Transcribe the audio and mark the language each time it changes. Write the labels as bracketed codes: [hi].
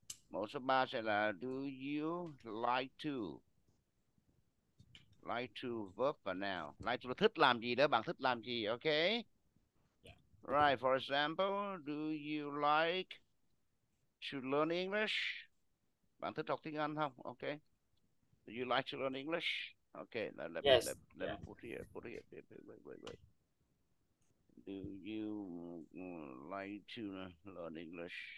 [vi] Mẫu số 3 sẽ là [en] do you like to? Like to verb [vi] và noun. Like to là thích làm gì đó, bạn thích làm gì, okay? [en] Right, for example, do you like to learn English? [vi] Bạn thích học tiếng Anh không? [en] Okay. Do you like to learn English? Okay, Yes, let me put here, wait. Do you like to learn English?